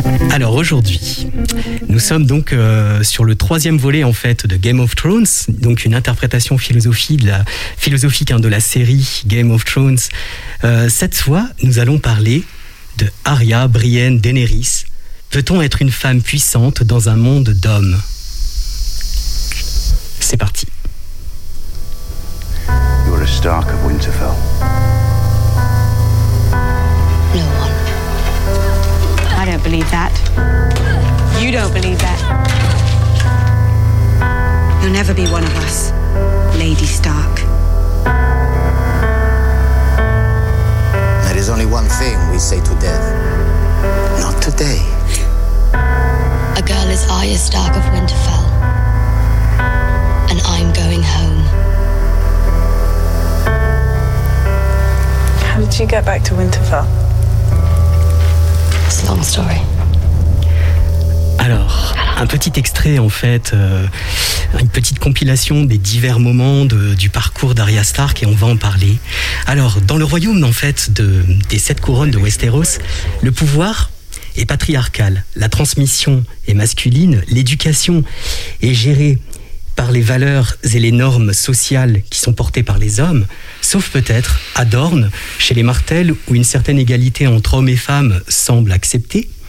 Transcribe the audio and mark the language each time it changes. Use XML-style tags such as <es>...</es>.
<fr>Alors aujourd'hui, nous sommes donc sur le troisième volet en fait de Game of Thrones, donc une interprétation philosophique de la série Game of Thrones. Cette fois, nous allons parler de Arya, Brienne, Daenerys. Peut-on être une femme puissante dans un monde d'hommes? C'est parti.</fr> <en>You're a Stark of Winterfell. No one. I don't believe that. You don't believe that. You'll never be one of us, Lady Stark. There is only one thing we say to death. Not today. A girl is Arya Stark of Winterfell. And I'm going home. How did you get back to Winterfell? It's a long story.</en> <fr>Alors, un petit extrait en fait, une petite compilation des divers moments du parcours d'Arya Stark et on va en parler. Alors, dans le royaume en fait des sept couronnes de Westeros, le pouvoir est patriarcal, la transmission est masculine, l'éducation est gérée par les valeurs et les normes sociales qui sont portées par les hommes, sauf peut-être à Dorne, chez les Martell, où une certaine égalité entre hommes et femmes semble acceptée.</fr>